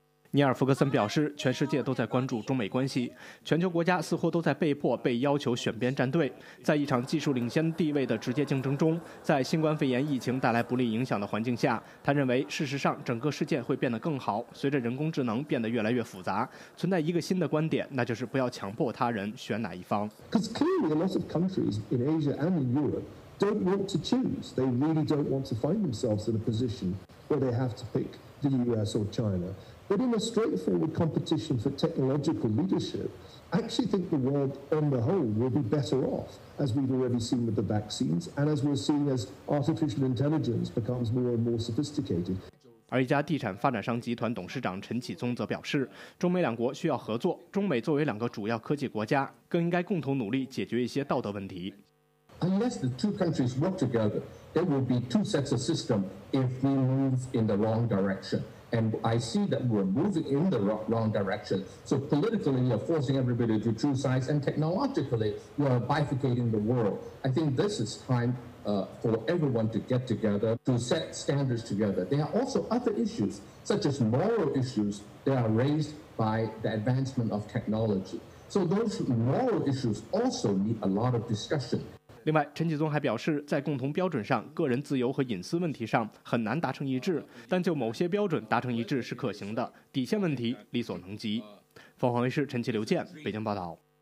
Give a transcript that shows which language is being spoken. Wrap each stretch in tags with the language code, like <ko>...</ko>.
<zh>尼尔·弗格森表示，全世界都在关注中美关系，全球国家似乎都在被迫被要求选边站队。在一场技术领先地位的直接竞争中，在新冠肺炎疫情带来不利影响的环境下，他认为事实上整个世界会变得更好。随着人工智能变得越来越复杂，存在一个新的观点，那就是不要强迫他人选哪一方。</zh> <en>Because clearly a lot of countries in Asia and in Europe don't want to choose. They really don't want to find themselves in a position where they have to pick the US or China. But in a straightforward competition for technological leadership, I actually think the world on the whole will be better off, as we've already seen with the vaccines, and as we're seeing as artificial intelligence becomes more and more sophisticated.</en> <zh>而一家地产发展商集团董事长陈启宗则表示，中美两国需要合作，中美作为两个主要科技国家，更应该共同努力解决一些道德问题。</zh> <en>Unless the two countries work together, there will be two sets of system if we move in the wrong direction. And I see that we're moving in the wrong direction. So politically, you're forcing everybody to choose sides, and technologically, you're bifurcating the world. I think this is time, for everyone to get together, to set standards together. There are also other issues, such as moral issues, that are raised by the advancement of technology. So those moral issues also need a lot of discussion.</en> <zh>另外，陈启宗还表示，在共同标准上、个人自由和隐私问题上很难达成一致，但就某些标准达成一致是可行的，底线问题力所能及。凤凰卫视陈奇、刘健北京报道。</zh>